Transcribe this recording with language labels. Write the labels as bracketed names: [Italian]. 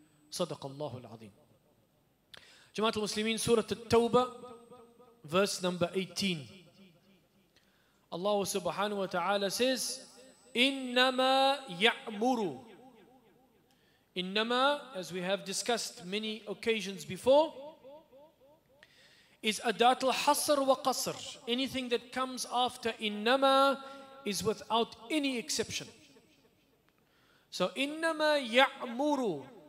[Arabic] صدق الله العظيم. جماعة المسلمين، سورة التوبة [English] verse number 18. Allah subhanahu wa ta'ala says, [Arabic] إِنَّمَا يَعْمُرُ. [English] إِنَّمَا, as we have discussed many occasions before, is [Arabic] adat al-hasr wa qasr. [English] Anything that comes after إِنَّمَا is without any exception. [Arabic] So, إِنَّمَا يَعْمُرُ.